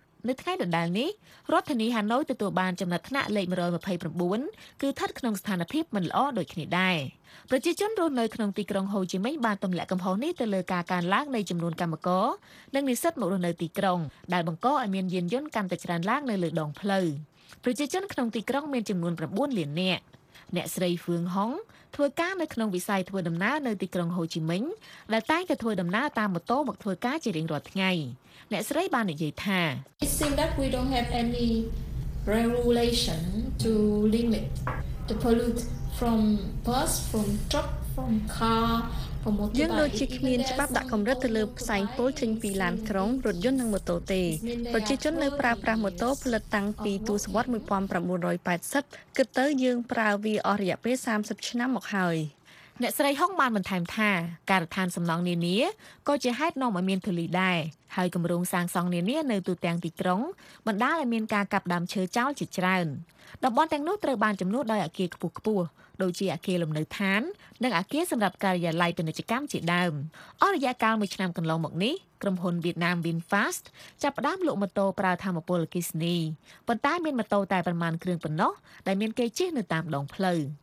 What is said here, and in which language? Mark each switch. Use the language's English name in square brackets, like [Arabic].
[Khmer] នៅថ្ងៃដដែលនេះរដ្ឋធានីហាណូយទទួលបានចំណាត់ថ្នាក់លេខ129គឺស្ថិតក្នុងស្ថានភាពមិនល្អដូចគ្នាដែរប្រជាជនរស់នៅក្នុងទីក្រុងហូជីមិញបានទម្លាក់កំហុសនេះទៅលើការកើនឡើងនៃចំនួនកម្មករនិងនិស្សិតមករស់នៅទីក្រុងដែលបង្កឲ្យមានយានយន្តកាន់តែច្រើនឡើងនៅលើដងផ្លូវប្រជាជនក្នុងទីក្រុងមានចំនួន9លាននាក់អ្នកស្រីហ្វឿងហុងធ្វើការនៅក្នុងវិស័យធ្វើដំណើរនៅទីក្រុងហូជីមិញដែលតែងតែធ្វើដំណើរតាមម៉ូតូមកធ្វើការជារៀងរាល់ថ្ងៃអ្នកស្រីបាននិយាយថា [English] It seems that we don't have any regulation to limit the pollute from bus, from truck, from car, from motorbike. [Khmer] យើងដូចជាគ្មានច្បាប់ដាក់កម្រិតទៅលើផ្សែងពុលចេញពីឡានក្រុងរថយន្តនិងម៉ូតូទេប្រជាជននៅប្រើប្រាស់ម៉ូតូផលិតតាំងពីទសវត្ស1980គិតទៅយើងប្រើវាអស់រយៈពេល30ឆ្នាំមកហើយ អ្នកស្រីហុងបានបន្ថែមថាការដ្ឋានសំណង់នានាក៏ជាហេតុនាំឲ្យមានធូលីដែរហើយគម្រោងសាងសង់នានានៅទូទាំងទីក្រុងបណ្ដាលឲ្យមានការកាប់ដើមឈើចោលជាច្រើនតំបន់ទាំងនោះត្រូវបានចំនួនដោយអាគារខ្ពស់ខ្ពស់ដូចជាអាគារលំនៅឋាននិងអាគារសម្រាប់ការិយាល័យពាណិជ្ជកម្មជាដើមអររយៈកាលមួយឆ្នាំកន្លងមកនេះក្រុមហ៊ុនវៀតណាម VinFast ចាប់ផ្ដើមលក់ម៉ូតូប្រើថាមពលអគ្គិសនីប៉ុន្តែមានម៉ូតូតែប្រមាណគ្រឿងប៉ុណ្ណោះដែលមានគេជិះនៅតាមដងផ្លូវ